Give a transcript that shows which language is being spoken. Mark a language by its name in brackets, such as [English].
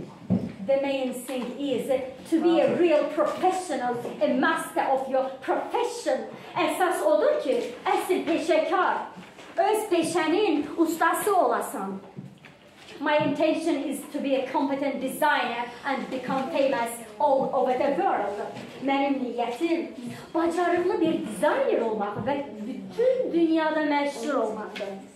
[English] The main thing is to be a real professional, a master of your profession. [Azerbaijani] Əsas odur ki, əsl peşəkar, öz peşənin ustası olasan. [English] My intention is to be a competent designer and become famous all over the world. [Azerbaijani] Mənim niyyətim, bacarıqlı bir dizayner olmaq və bütün dünyada məşhur olmaqdır.